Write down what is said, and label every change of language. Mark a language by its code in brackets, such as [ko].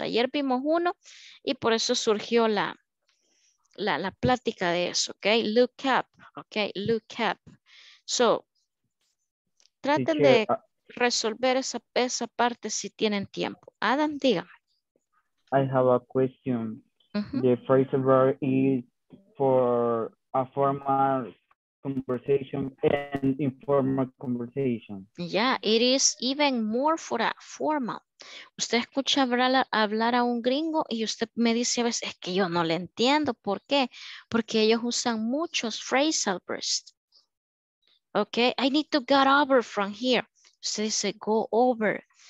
[es] Ayer vimos uno y por eso surgió la plática de eso. [en] ¿Ok? Look up. ¿Ok? Look up. [es] So, traten de resolver esa parte si tienen tiempo. Adam, dígame. [en] I have a question. The phrasal verb is for a formal conversation and informal conversation. Yeah, it is even more for a formal. [es] Usted escucha hablar a un gringo y usted me dice a veces, es que yo no le entiendo. ¿Por qué? Porque ellos usan muchos phrasal verbs. [en] Okay, I need to get over from here. Usted dice go over.